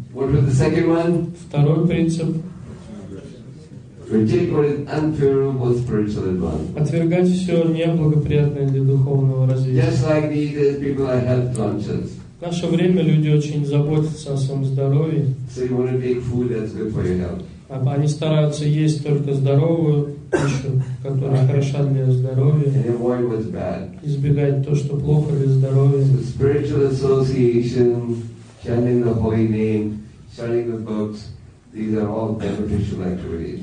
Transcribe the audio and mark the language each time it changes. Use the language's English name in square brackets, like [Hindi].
[English] What was the second one? [Russian] Второй принцип. [English] Reject what is unfavorable spiritual advancement. [Russian] Отвергать все неблагоприятное для духовного развития. [English] Just like these people are health conscious. [Russian] В наше время люди очень заботятся о своем здоровье. [English] So you want to make food that's good for your health. [Russian] Они стараются есть только здоровую пищу, которая хороша для здоровья. [English] And avoid what's bad. [Russian] Избегать то, что плохо для здоровья. [English] So spiritual association, chanting the holy name, chanting the books. These are all beneficial activities.